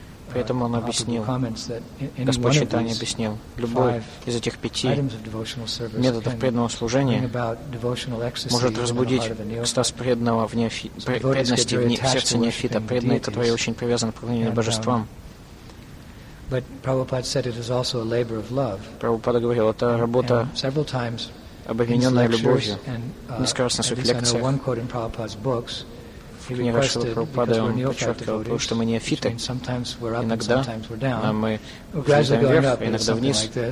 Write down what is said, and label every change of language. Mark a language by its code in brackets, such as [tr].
[ru] При этом он объяснил, Господь Чайтанья объяснил, любой из этих 5 методов преданного служения может разбудить экстаз преданного в преданности в сердце неофита, преданный, который очень привязан к поклонению божествам. [en] But Prabhupada said it is also a labor of love. [ru] Прабхупада говорил, это работа, обвиненная любовью. Несколько раз в лекциях, в книгах Прабхупада, он подчеркивал, что мы неофиты, иногда мы взлетаем вверх, иногда вниз.